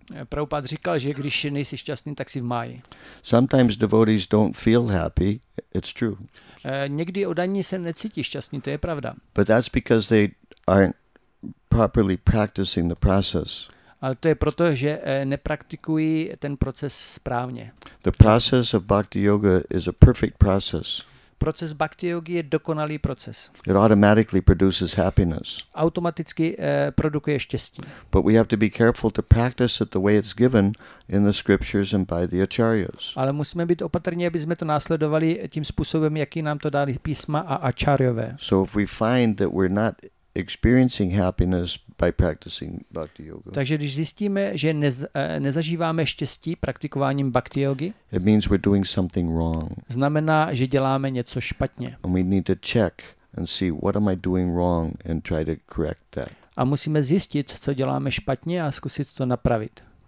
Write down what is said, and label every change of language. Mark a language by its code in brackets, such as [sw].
[cs] Prabhupada říkal, že když nejsi šťastný, tak si v Máji. [en] Sometimes devotees don't feel happy. It's true. [cs] Někdy oddaní se necítí šťastní, to je pravda. [en] But that's because they aren't properly practicing the process. [cs] Ale to je proto, že nepraktikují ten proces správně. [en] The process of bhakti yoga is a perfect process. [cs] Proces bhakti yogi je dokonalý proces. [en] It automatically produces happiness. [cs] Automaticky produkuje štěstí. [en] But we have to be careful to practice it the way it's given in the scriptures and by the acharyas. [cs] Ale musíme být opatrní, aby jsme to následovali tím způsobem, jaký nám to dali písma a acharyové. [en] So if we find that we're not experiencing happiness by practicing bhakti yoga. [cs] Takže když zjistíme, že nezažíváme štěstí praktikováním bhakti yogi, [en] it means we're doing something wrong. [cs] Znamená, že děláme něco špatně. [en] And we need to check and see what am I doing wrong and try to correct that. [cs] A musíme zjistit, co děláme špatně a zkusit to napravit.